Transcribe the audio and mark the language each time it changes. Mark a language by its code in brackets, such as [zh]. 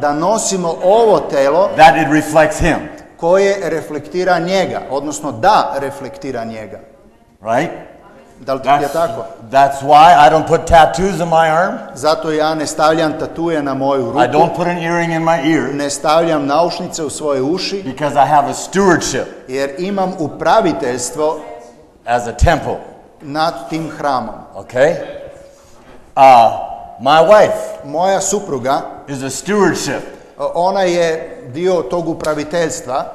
[hr] da nosimo ovo telo, [en] that it reflects him. [hr] Koje reflektira njega, odnosno da reflektira njega. [en] Right? [hr] Da li ti je tako? [en] That's why I don't put tattoos on my arm. [hr] Zato ja ne stavljam tatuje na moju ruku. [en] I don't put an earring in my ear. [hr] Ne stavljam naušnice u svoje uši. [en] Because I have a stewardship. [hr] Jer imam upraviteljstvo [en] as a temple. [hr] Nad tim hramom. [en] Okay? My wife. [hr] Moja supruga [en] is a stewardship. [hr] Ona je dio tog upraviteljstva.